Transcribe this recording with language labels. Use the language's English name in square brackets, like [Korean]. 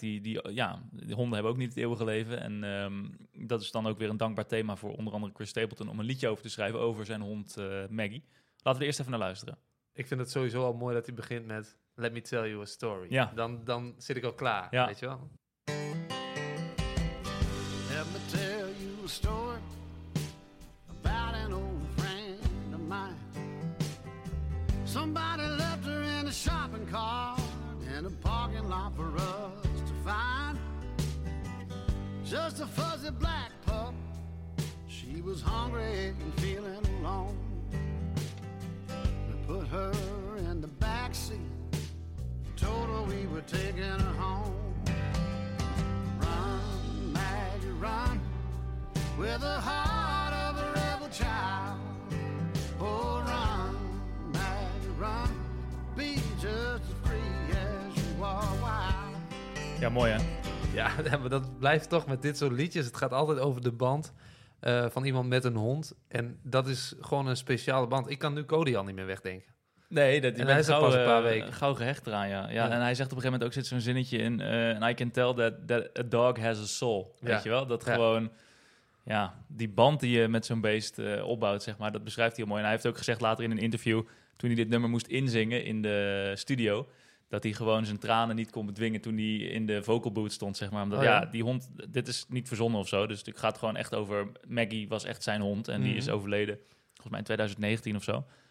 [Dutch] Die honden hebben ook niet het eeuwige leven. En dat is dan ook weer een dankbaar thema voor onder andere Chris Stapleton om een liedje over te schrijven over zijn hond Maggie. Laten we eerst even naar luisteren. Ik vind het sowieso al mooi dat hij begint met [English] Let me tell you a story. [Dutch] Ja. Dan zit ik al klaar, ja. Weet je wel. [English] Let me tell you a story about an old friend of mine. Somebody left her in a shopping cart in a parking lot for us to find. Just a fuzzy black pup. She was hungry and feeling alone. Put her in the back seat, told her we were taking her home. Run, Maggie, run, with the heart of a rebel child. Oh, run, Maggie, run, be just as free as you are wild. [Dutch] Ja, mooi hè? Ja, maar dat blijft toch met dit soort liedjes. Het gaat altijd over de band. Van iemand met een hond. En dat is gewoon een speciale band. Ik kan nu Cody al niet meer wegdenken. Nee, hij is pas een paar weken. Gauw gehecht eraan, ja. En hij zegt op een gegeven moment ook, zit zo'n zinnetje in. [English] And I can tell that a dog has a soul. [Dutch] Ja. Weet je wel? Dat gewoon, ja, die band die je met zo'n beest opbouwt, zeg maar. Dat beschrijft hij heel mooi. En hij heeft ook gezegd later in een interview, toen hij dit nummer moest inzingen in de studio, dat hij gewoon zijn tranen niet kon bedwingen toen hij in de vocal booth stond, zeg maar. Omdat, die hond, dit is niet verzonnen of zo. Dus het gaat gewoon echt over, Maggie was echt zijn hond en die is overleden, volgens mij in 2019 of zo.